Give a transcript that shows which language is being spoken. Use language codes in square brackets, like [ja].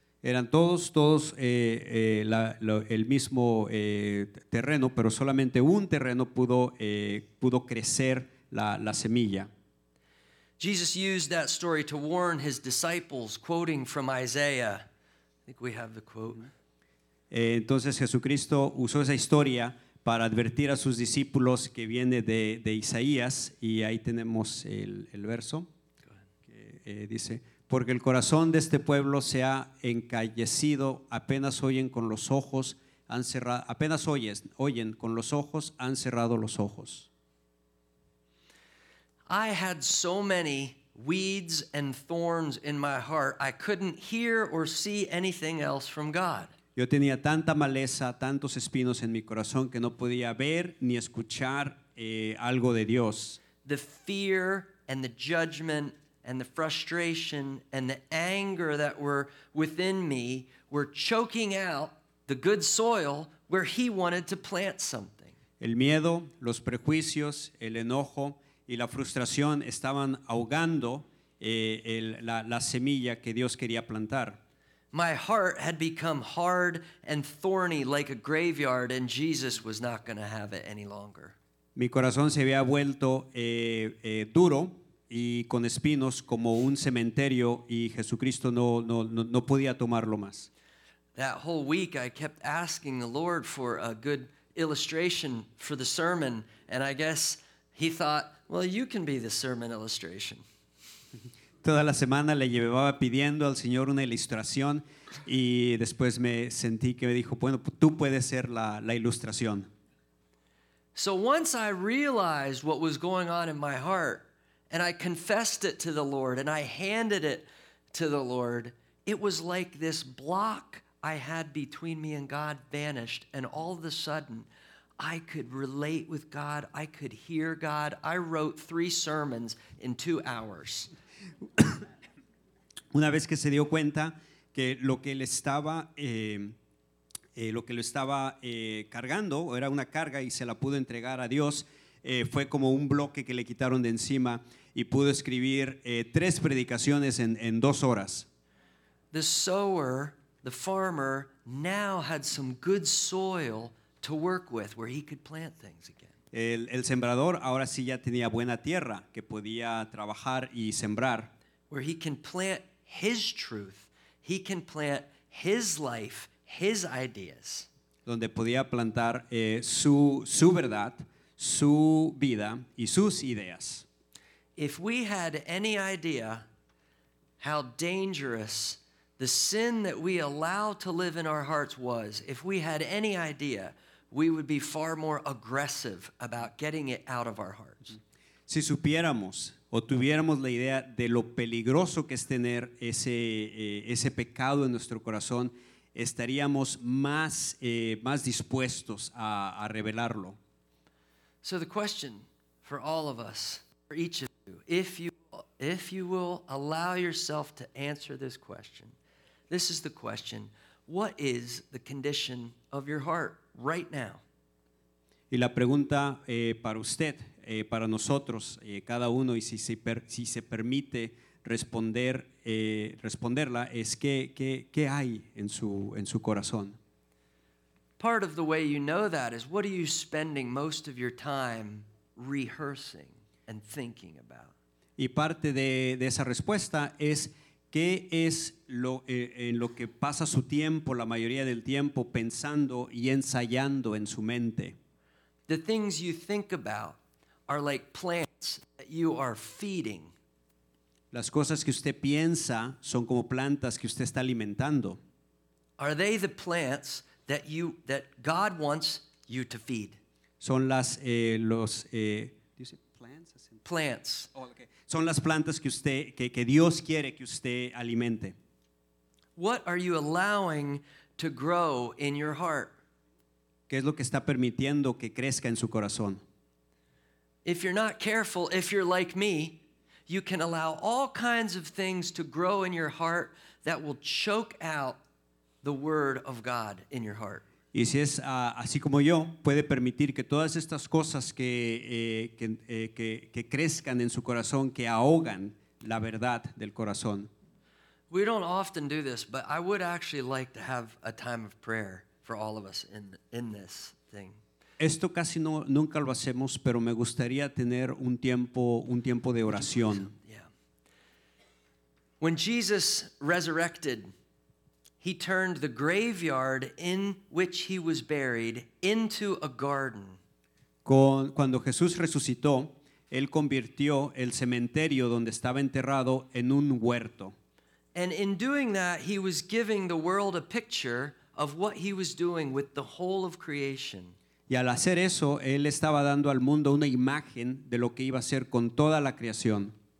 [es] Eran todos el mismo terreno, pero solamente un terreno pudo crecer la semilla. [en] Jesus used that story to warn his disciples, quoting from Isaiah. I think we have the quote. [es] Entonces Jesucristo usó esa historia para advertir a sus discípulos que viene de Isaías, y ahí tenemos el verso, dice, porque el corazón de este pueblo se ha encallecido, apenas oyen con los ojos, han cerrado, apenas oyen con los ojos, han cerrado los ojos. [en] I had so many weeds and thorns in my heart, I couldn't hear or see anything else from God. [es] Yo tenía tanta maleza, tantos espinos en mi corazón que no podía ver ni escuchar algo de Dios. [en] The fear and the judgment and the frustration and the anger that were within me were choking out the good soil where he wanted to plant something. [es] El miedo, los prejuicios, el enojo y la frustración estaban ahogando la semilla que Dios quería plantar. [en] My heart had become hard and thorny like a graveyard, and Jesus was not going to have it any longer. [es] Mi corazón se había vuelto duro y con espinos como un cementerio, y Jesucristo no podía tomarlo más. [en] That whole week I kept asking the Lord for a good illustration for the sermon, and I guess he thought, well, you can be the sermon illustration. [es] Toda la semana le llevaba pidiendo al Señor una ilustración, y después me sentí que me dijo, bueno, tú puedes ser la ilustración. [en] So once I realized what was going on in my heart, and I confessed it to the Lord, and I handed it to the Lord, it was like this block I had between me and God vanished, and all of a sudden, I could relate with God, I could hear God. I wrote 3 sermons in 2 hours. [es] Una vez que se dio cuenta que lo que él estaba cargando era una carga y se la pudo entregar a Dios, fue como un bloque que le quitaron de encima y pudo escribir 3 predicaciones en 2 horas. [en] The sower, the farmer, now had some good soil to work with where he could plant things again. [es] El sembrador ahora sí ya tenía buena tierra que podía trabajar y sembrar. [en] Where he can plant his truth, he can plant his life, his ideas. [es] Donde podía plantar su verdad, su vida y sus ideas. [en] If we had any idea how dangerous the sin that we allow to live in our hearts was, if we had any idea, we would be far more aggressive about getting it out of our hearts. [es] Si supiéramos o tuviéramos la idea de lo peligroso que es tener ese pecado en nuestro corazón, estaríamos más dispuestos a revelarlo. [en] So the question for all of us, for each of you, if you will allow yourself to answer this question, this is the question: what is the condition of your heart right now? [es] Y la pregunta para usted, para nosotros, cada uno, y si se permite responderla, es qué hay en su corazón. [en] Part of the way you know that is, what are you spending most of your time rehearsing and thinking about? [es] Y parte de esa respuesta es, ¿qué es lo que pasa su tiempo, la mayoría del tiempo, pensando y ensayando en su mente? [en] The things you think about are like plants that you are feeding. [es] Las cosas que usted piensa son como plantas que usted está alimentando. [en] Are they the plants that God wants you to feed? [es] Son las los plants. [en] Plants. Oh, okay. [es] Son las plantas que usted que Dios quiere que usted alimente. [en] What are you allowing to grow in your heart? [es] ¿Qué es lo que está permitiendo que crezca en su corazón? [en] If you're not careful, if you're like me, you can allow all kinds of things to grow in your heart that will choke out the word of God in your heart. [es] Y si es así como yo, puede permitir que todas estas cosas que crezcan en su corazón, que ahogan la verdad del corazón. [en] We don't often do this, but I would actually like to have a time of prayer for all of us in this thing. [es] Esto casi nunca lo hacemos, pero me gustaría tener un tiempo de oración. Yeah. [en] When Jesus resurrected, he turned the graveyard in which he was buried into a garden. [es] Cuando Jesús resucitó, él convirtió el cementerio donde estaba enterrado en un huerto. [en] And in doing that, he was giving the world a picture of what he was doing with the whole of creation. [es] Y al hacer eso, él estaba dando al mundo una imagen de lo que iba a hacer con toda la creación.